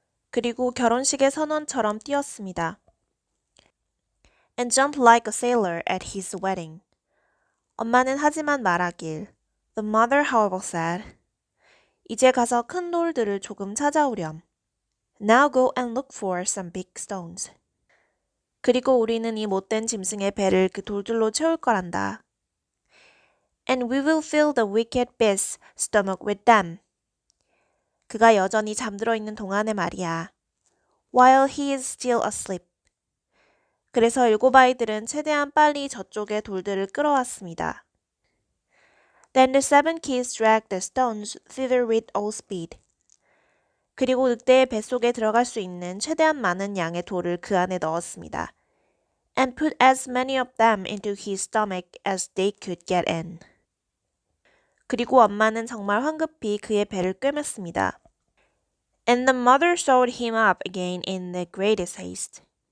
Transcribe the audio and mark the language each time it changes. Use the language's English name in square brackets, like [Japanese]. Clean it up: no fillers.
[Korean] 그리고 결혼식의 선원처럼 뛰었습니다. [English] And jumped like a sailor at his wedding. [Korean] 엄마는 하지만 말하길. [English] The mother, however, said, [Korean] 이제 가서 큰 돌들을 조금 찾아오렴. [English] Now go and look for some big stones. [Korean] 그리고 우리는 이 못된 짐승의 배를 그 돌들로 채울 거란다. [English] And we will fill the wicked beast's stomach with them. [Korean] 그가 여전히 잠들어 있는 동안에 말이야. [English] While he is still asleep. [Korean] 그래서 일곱 아이들은 최대한 빨리 저쪽에 돌들을 끌어왔습니다. [English] Then the seven kids dragged the stones thither with all speed. [Korean] 그리고 늑대의 뱃속에 들어갈 수 있는 최대한 많은 양의 돌을 그 안에 넣었습니다. [English] And put as many of them into his stomach as they could get in. [Korean] 그리고 엄마는 정말 황급히 그의 배를 꿰맸습니다. [English] And the mother sewed him up again in the greatest haste.